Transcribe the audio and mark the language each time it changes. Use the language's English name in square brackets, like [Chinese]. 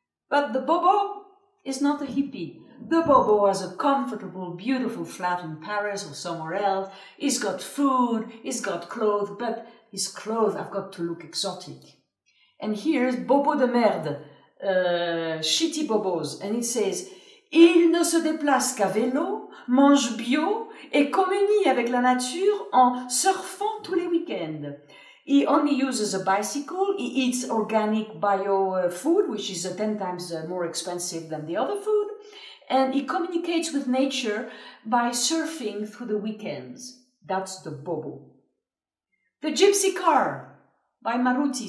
[English] But the bobo is not a hippie. The bobo has a comfortable, beautiful flat in Paris or somewhere else. He's got food, he's got clothes, but his clothes have got to look exotic. And here's [French] bobo de merde, [English] shitty bobos, and it says, [French] Il ne se déplace qu'à vélo, mange bio et communie avec la nature en surfant tous les week-ends. [English] He only uses a bicycle, he eats organic bio food, which is 10 times more expensive than the other food, and he communicates with nature by surfing through the weekends. That's the bobo. The Gypsy Car by Maruti.